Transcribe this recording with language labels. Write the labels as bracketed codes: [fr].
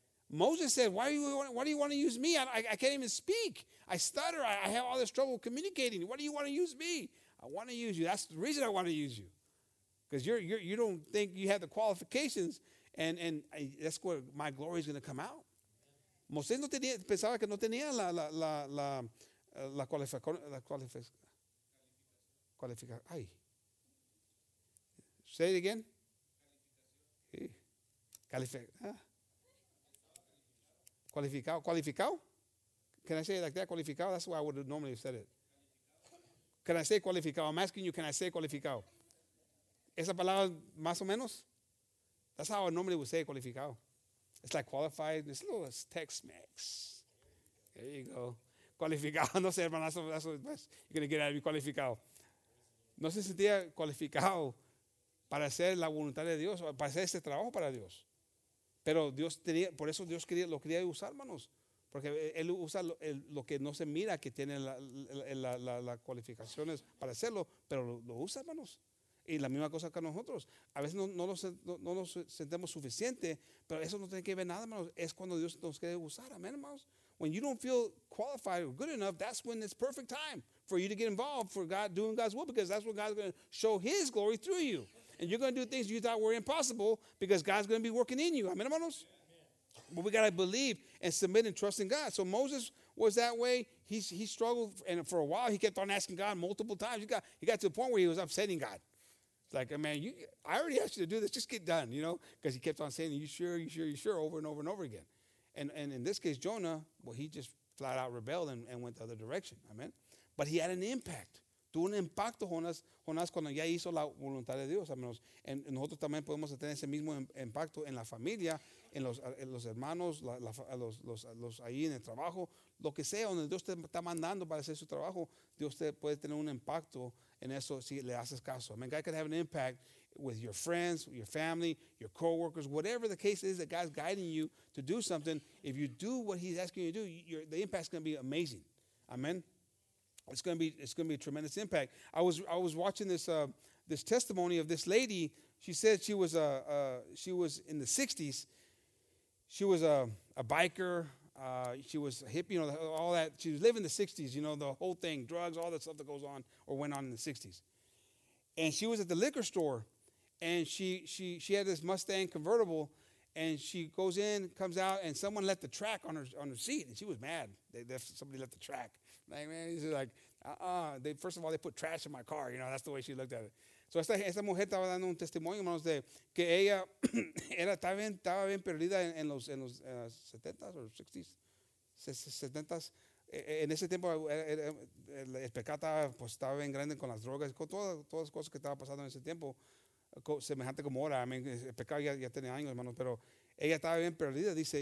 [en] Moses said, why do you want to use me? I can't even speak. I stutter. I have all this trouble communicating. Why do you want to use me? I want to use you. That's the reason I want to use you. Because you don't think you have the qualifications, and that's where my glory is going to come out. [es] Moses no tenía, pensaba que no tenía la cualificación. [en] Say it again. Qualificado. Can I say it like that? Qualificado. That's why I would have normally said it. Can I say qualificado? I'm asking you. Can I say qualificado? [es] Esa palabra más o menos. [en] That's how I normally would say qualificado. It's like qualified. It's a little Tex-Mex. There you go. Qualificado. [es] No sé, hermano. [en] That's what you're gonna get out of me. [es] Qualificado. No se sentía qualificado para hacer la voluntad de Dios, para hacer este trabajo para Dios. Pero Dios tenía, por eso Dios quería, lo quería usar, hermanos. Porque Él usa lo que no se mira, que tiene las cualificaciones para hacerlo, pero lo usa, hermanos. Y la misma cosa que nosotros. A veces no nos sentemos suficiente, pero eso no tiene que ver nada, hermanos. Es cuando Dios nos quiere usar, amén, hermanos. [en] When you don't feel qualified or good enough, that's when it's perfect time for you to get involved for God, doing God's will, because that's when God's going to show His glory through you. And you're going to do things you thought were impossible because God's going to be working in you. Amen, hermanos? But we got to believe and submit and trust in God. So Moses was that way. He struggled, and for a while he kept on asking God multiple times. He got to the point where he was upsetting God. It's like, man, I already asked you to do this. Just get done, you know, because he kept on saying, you sure, over and over and over again. And in this case, Jonah, well, he just flat out rebelled and went the other direction. Amen? But he had an impact. [es] Tuvo un impacto, Jonás, cuando ya hizo la voluntad de Dios, hermanos. Y nosotros también podemos tener ese mismo impacto en la familia, en los hermanos, los ahí en el trabajo, lo que sea, donde Dios te está mandando para hacer su trabajo, Dios te puede tener un impacto en eso si le haces caso. [en] I mean, God can have an impact with your friends, your family, your coworkers, whatever the case is that God's guiding you to do something. If you do what He's asking you to do, the impact's going to be amazing. Amen. It's going to be a tremendous impact. I was watching this testimony of this lady. She said she was she was in the 60s. She was a biker. She was a hippie, you know, all that. She was living in the 60s, you know, the whole thing, drugs, all that stuff that goes on or went on in the 60s. And she was at the liquor store, and she had this Mustang convertible, and she goes in, comes out, and someone left the track on her seat, and she was mad. Somebody left the track. Like, man, she's like, they, first of all, they put trash in my car. You know, that's the way she looked at it. [es] So esta mujer estaba dando un testimonio, hermanos, de que ella estaba bien perdida en los 70s or 60s, 70s. En ese tiempo, el pecado estaba bien grande con las drogas, con todas las cosas que estaban pasando en ese tiempo, semejante como ahora. I mean, el pecado ya tenía años, hermanos, pero ella estaba bien perdida, dice.